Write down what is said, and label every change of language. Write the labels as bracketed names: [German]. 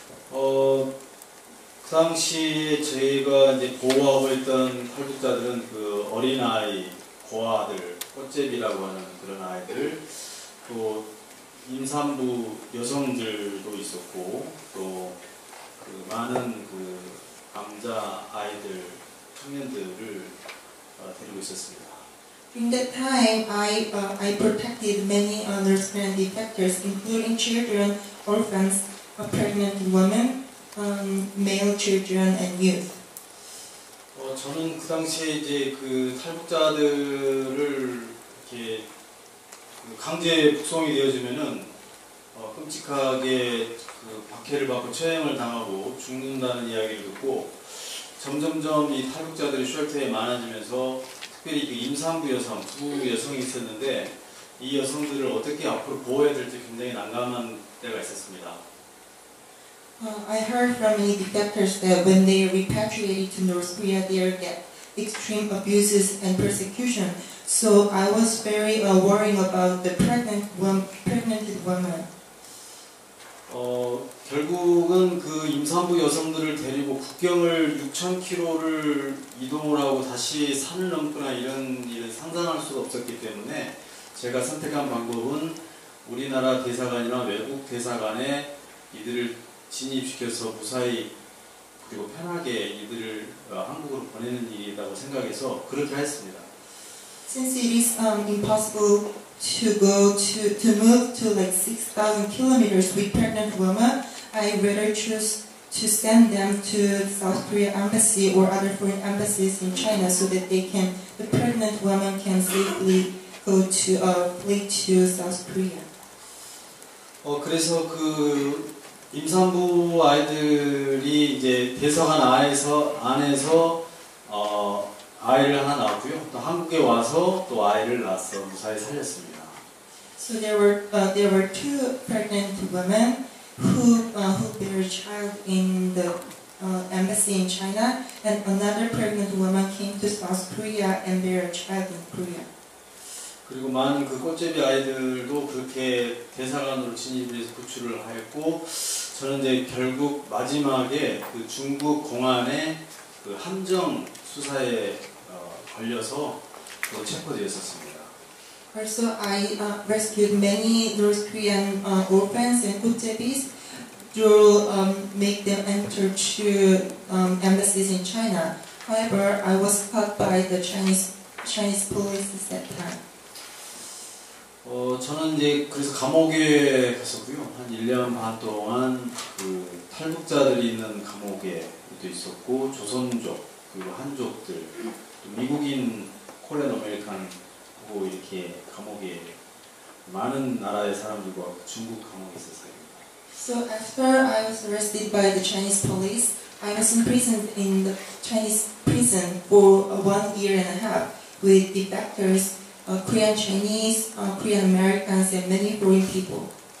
[Korean] 그 당시에 저희가 이제 보호하고 있던 탈북자들은 그 어린 아이, 고아들, 꽃제비라고 하는 그런 아이들. 또 임산부 여성들도 있었고 또 그 많은 그 남자 아이들 청년들을 데리고 있었습니다. [English] In that time, I protected many North Korean defectors, including children, orphans, pregnant women, male children, and youth. [Korean] 저는 그 당시에 이제 그 탈북자들을 이렇게 강제 북송이 되어지면은 끔찍하게 그 박해를 받고 처형을 당하고 죽는다는 이야기를 듣고 점점점 이 탈북자들이 쉘터에 많아지면서 특별히 그 임산부 여성, 부부 여성이 있었는데 이 여성들을 어떻게 앞으로 보호해야 될지 굉장히 난감한 때가 있었습니다. [English] I heard from many defectors that when they repatriated to North Korea, they get extreme abuses and persecution. So I was very worrying about the pregnant woman. [Korean] 결국은 그 임산부 여성들을 데리고 국경을 6,000km를 이동을 하고 다시 산을 넘거나 이런 일을 상상할 수가 없었기 때문에 제가 선택한 방법은 우리나라 대사관이나 외국 대사관에 이들을 진입시켜서 무사히 그리고 편하게 이들을 한국으로 보내. 되는 일이라고 생각해서 그렇게 했습니다. [English] Since it is impossible to go to move to like 6,000 kilometers with pregnant woman, I rather choose to send them to South Korea embassy or other foreign embassies in China so that they can the pregnant woman can safely go to a flight to South Korea. [Korean] 그래서 그 임산부 아이들이 이제 대사관 안에서 아이를 하나 낳았고요. 또 한국에 와서 또 아이를 낳았어 무사히 살렸습니다. [English] So there were two pregnant women who bear a child in the embassy in China, and another pregnant woman came to South Korea and bear a child in Korea. [Korean] 그리고 많은 그 꽃제비 아이들도 그렇게 대사관으로 진입해서 구출을 하였고, 저는 이제 결국 마지막에 그 중국 공안에 그 함정 수사에 걸려서 또 체포되었습니다. [English] Also, I rescued many North Korean orphans and 꽃제비s to make them enter to embassies in China. However, I was caught by the Chinese police at that time. [Korean] 저는 이제 그래서 감옥에 갔었고요. 한 1년 반 동안 그 탈북자들이 있는 감옥에도 있었고, 조선족, 그리고 한족들, 또 미국인 코리안 아메리칸하고 이렇게 감옥에 많은 나라의 사람들과 중국 감옥에 있었어요. [English] So after I was arrested by the Chinese police, I was imprisoned in the Chinese prison for 1.5 years with defectors. Korean Chinese, Korean Americans, and many foreign people.